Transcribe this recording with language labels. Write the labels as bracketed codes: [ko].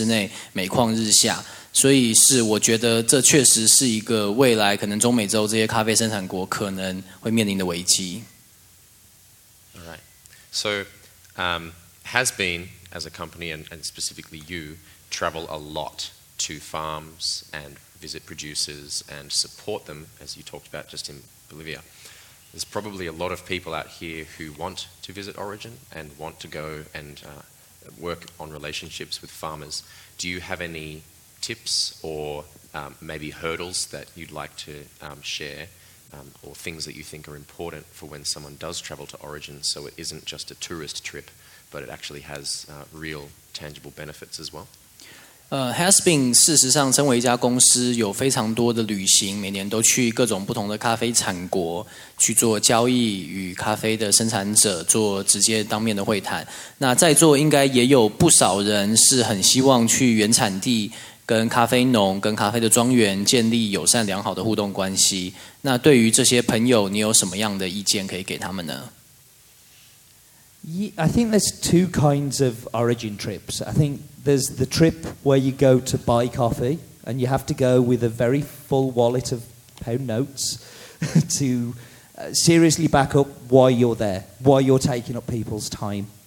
[zh] 对，没有错，我觉得这是很有可能发生的。我跟阿伊达也谈过他们萨尔瓦多那边的状况。那萨尔瓦多那边事实上现在也是有很多咖啡的问题，包括可能毒品啊，那边有非常严重的犯罪，还有帮派黑道的问题。这些都在这些国家里面发生，而且其实很难想象一个可能到5年、10年前都还生产如此美味咖啡的地方，可以在那么短的时间之内每况日下。所以是我觉得这确实是一个未来可能中美洲这些咖啡生产国可能会面临的危机。 [en] All right. So, has been as a company and specifically you travel a lot to farms and visit producers and support them as you talked about just in Bolivia. There's probably a lot of people out here who want to visit Origin and want to go and work on relationships with farmers. Do you have any tips or maybe hurdles that you'd like to share or things that you think are important for when someone does travel to Origin so it isn't just a tourist trip but it actually has real tangible benefits as well? [zh] Has-been 事实上称为一家公司，有非常多的旅行，每年都去各种不同的咖啡产国去做交易，与咖啡的生产者做直接当面的会谈。那在座应该也有不少人是很希望去原产地 跟咖啡农、跟咖啡的庄园建立友善良好的互动关系。那对于这些朋友，你有什么样的意见可以给他们呢？ [en] I think there's two kinds of origin trips. I think there's the trip where you go to buy coffee, and you have to go with a very full wallet of pound notes to seriously back up why you're there, why you're taking up people's time.